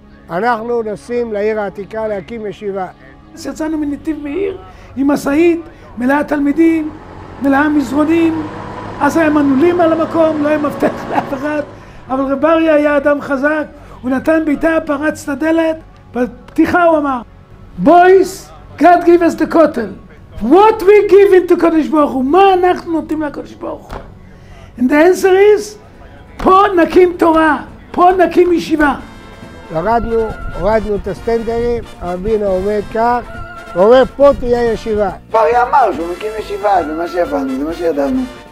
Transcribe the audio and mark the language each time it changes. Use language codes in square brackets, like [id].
[he] אנחנו נוסעים לעיר העתיקה להקים ישיבה. אז יצאנו מנתיב מאיר עם מסעית, מלאה תלמידים, מלאה מזרונים. אז היה מנעולים על המקום, לא היה מפתח לאף אחד. אבל רב אריה היה אדם חזק, הוא נתן ביתה, פרץ את הדלת. בפתיחה הוא אמר, [en] Boys, God give us the kotel. What we give into Kodesh Baruch Hu? [he] מה אנחנו נותנים לקודש ברוך הוא? [en] And the answer is, [he] פה נקים תורה, פה נקים ישיבה. ירדנו, הורדנו את הסטנדרים, הרבינה עומד כך, ואומר, פה תהיה ישיבה. פרי אמר שהוא מקים ישיבה, זה מה שהבנו, זה מה שידענו.